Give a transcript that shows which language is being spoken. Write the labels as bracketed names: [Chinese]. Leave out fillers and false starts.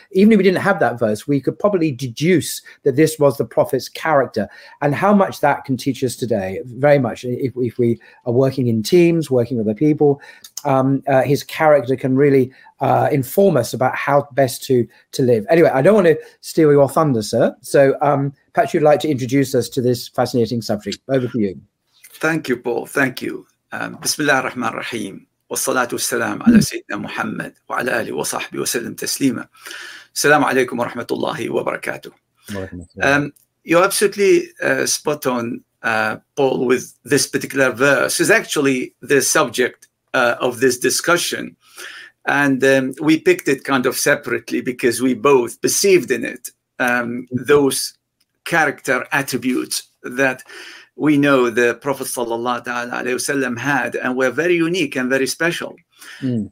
[English] Even if we didn't have that verse, we could probably deduce that this was the prophet's character, and how much that can teach us today, very much, if we are working in teams, working with other people, his character can really inform us about how best to live. Anyway, I don't want to steal your thunder, sir, so perhaps you'd like to introduce us to this fascinating subject. Over to you. Thank you, Paul. Thank you. Bismillah ar-Rahman ar-Rahim. [Arabic] والصلاة والسلام على سيدنا محمد وعلى آله وصحبه وسلم تسليما. السلام عليكم ورحمة الله وبركاته. [English] You're absolutely spot on, Paul, with this particular verse. It's actually the subject of this discussion. And we picked it kind of separately because we both perceived in it those character attributes that we know the Prophet sallallahu alaihi wasallam had, and were very unique and very special. Mm-hmm.